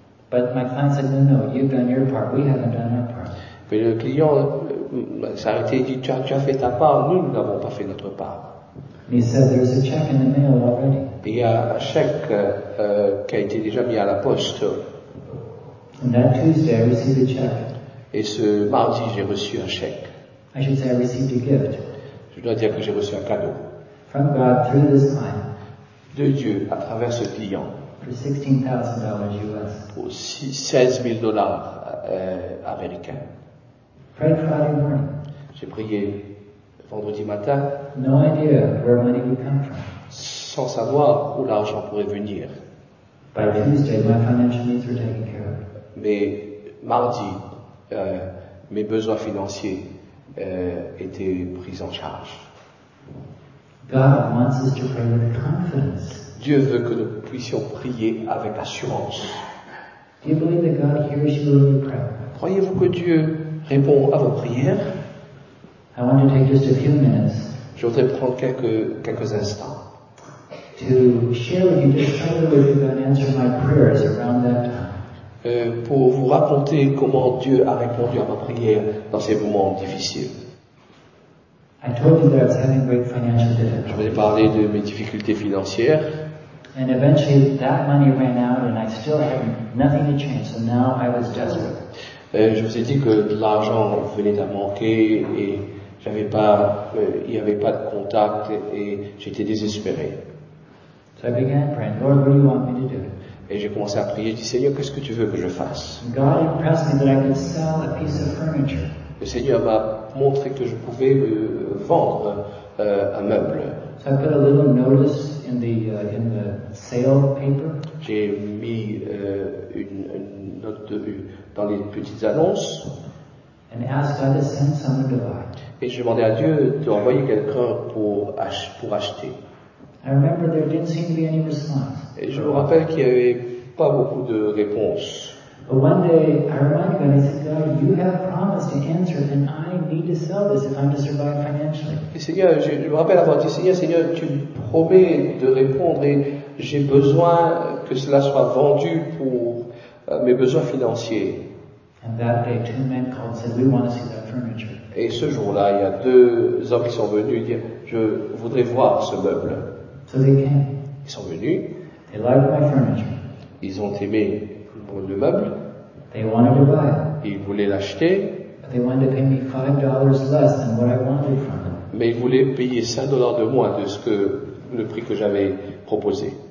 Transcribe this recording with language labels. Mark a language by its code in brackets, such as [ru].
[en] But my client said, "No, you've done your part. We haven't done our part." [fr] Mais le client s'est arrêté et dit, tu as fait ta part, nous n'avons pas fait notre part. [en] He said, "There's a check in the mail already." [fr] Et il y a un chèque qui a été déjà mis à la poste. [en] And that Tuesday, I received a check. [fr] Et ce mardi, j'ai reçu un chèque. [en] I should say I received a gift. [fr] Je dois dire que j'ai reçu un cadeau. [en] from God through this client. [fr] De Dieu à travers ce client. [en] For $16,000 US. [fr] Pour $16,000 américains. [en] Prayed Friday morning. [fr] J'ai prié vendredi matin. [en] No idea where money would come from. [fr] Sans savoir où l'argent pourrait venir. [en] By Tuesday, my financial needs were taken care of. [fr] Mais mardi, mes besoins financiers étaient pris en charge. [en] God wants us to pray with confidence. [fr] Dieu veut que nous puissions prier avec assurance. [en] Do you believe that God hears you when you pray? [fr] Croyez-vous que Dieu répond à vos prières? [en] I want to take just a few minutes. [fr] Je voudrais prendre quelques instants. [en] To share with you just how the Lord can answer my prayers around that time. [fr] Pour vous raconter comment Dieu a répondu à ma prière dans ces moments difficiles. [en] I told you that I was having great financial difficulties. [fr] Je vous ai parlé de mes difficultés financières. [en] And eventually that money ran out and I still had nothing to change, so now I was desperate. [fr] Je vous ai dit que l'argent venait à manquer et j'avais pas, il n'y avait pas de contact et j'étais désespéré. [en] So I began praying, Lord, what do you want me to do? [fr] Et j'ai commencé à prier, je dis, Seigneur, qu'est-ce que tu veux que je fasse? [en] God impressed me that I could sell a piece of furniture. [fr] Le Seigneur m'a montré que je pouvais vendre un meuble. [en] So I put a little notice in the sale paper. [fr] J'ai mis une note dans les petites annonces. [en] And asked God to send someone to buy. [fr] Et je demandais à Dieu d'envoyer quelqu'un pour acheter. [en] I remember there didn't seem to be any response. [fr] Et je me rappelle qu'il n'y avait pas beaucoup de réponses. [en] But one day, I reminded God, I said, God, you have promised to answer, and I need to sell this if I'm to survive financially. [fr] Et Seigneur, je me rappelle avoir dit, Seigneur, tu me promets de répondre, et j'ai besoin que cela soit vendu pour mes besoins financiers. [en] And that day, two men called and said, we want to see that furniture. [fr] Et ce jour-là, il y a deux hommes qui sont venus dire, je voudrais voir ce meuble. [en] So they came. [fr] Ils sont venus. [en] They liked my furniture. [fr] Ils ont aimé le meuble. [en] They wanted to buy. [fr] Ils voulaient l'acheter. [en] But they wanted to pay me $5 less than what I wanted from them. [fr] Mais ils voulaient payer $5 de moins de ce que le prix que j'avais proposé.